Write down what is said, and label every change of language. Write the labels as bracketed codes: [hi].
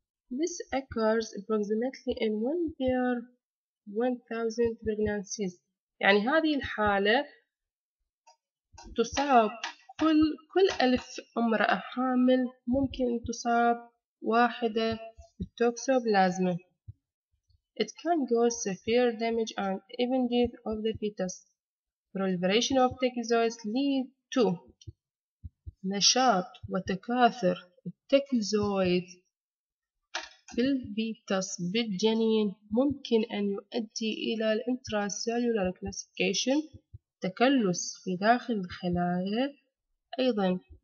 [en] This occurs approximately in 1 per 1,000 pregnancies. [ar] يعني هذه الحالة تصاب كل 1000 امرأة حامل ممكن تصاب واحدة بالتوكسوبلازما. [en] It can cause severe damage and even death of the fetus. Proliferation of tachyzoids lead to [ar] نشاط وتكاثر التكيزويد بالفيتاس بالجنين، ممكن أن يؤدي إلى الانتراسيلولار كلاسيكيشن، تكلس في داخل الخلايا، أيضا